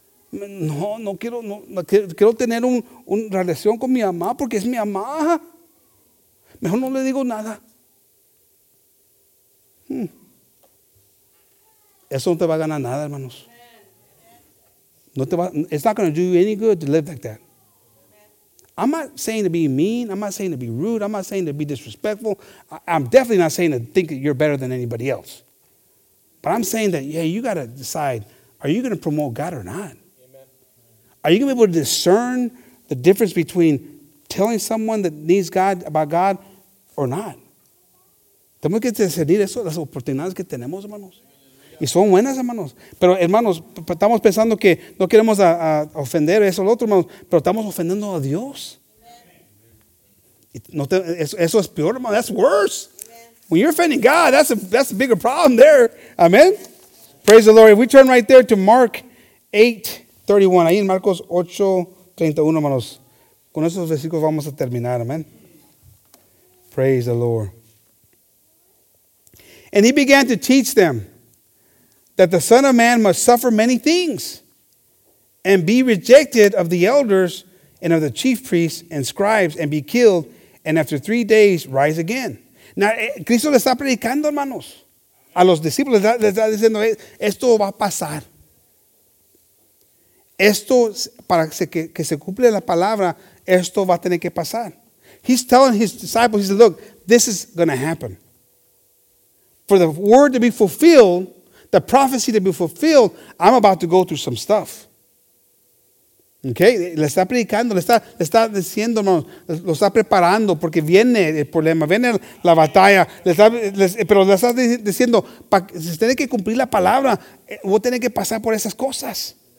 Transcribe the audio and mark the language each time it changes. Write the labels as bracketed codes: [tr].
[es] No quiero tener una relación con mi mamá porque es mi mamá. Mejor no le digo nada. Eso no te va a ganar nada, hermanos. No te va, [en] it's not going to do you any good to live like that. I'm not saying to be mean. I'm not saying to be rude. I'm not saying to be disrespectful. I'm definitely not saying to think that you're better than anybody else. But I'm saying that, yeah, you got to decide, are you going to promote God or not? Are you going to be able to discern the difference between telling someone that needs God about God or not? [es] Tenemos que discernir eso, las oportunidades que tenemos, hermanos. Y son buenas, hermanos. Pero, hermanos, estamos pensando que no queremos a ofender eso al otro, hermanos. Pero estamos ofendiendo a Dios. Eso es peor, hermano. [en] That's worse. [es] Amen. [en] When you're offending God, that's a bigger problem there. Amen. Praise the Lord. If we turn right there to Mark 8:31. [es] Ahí en Marcos 8:31, hermanos. Con esos versículos vamos a terminar. Amen. [en] Praise the Lord. And he began to teach them that the Son of Man must suffer many things and be rejected of the elders and of the chief priests and scribes and be killed and after 3 days rise again. [es] Now, Cristo le está predicando, hermanos, a los discípulos. Le está diciendo, esto va a pasar. Esto, para que se cumple la palabra, esto va a tener que pasar. [en] He's telling his disciples, he said, look, this is going to happen. For the word to be fulfilled, the prophecy to be fulfilled, I'm about to go through some stuff. [es] Okay, le está predicando, le está diciendo, no, lo está preparando porque viene el problema, viene la batalla, le está diciendo, si tiene que cumplir la palabra, voy a tener que pasar por esas cosas.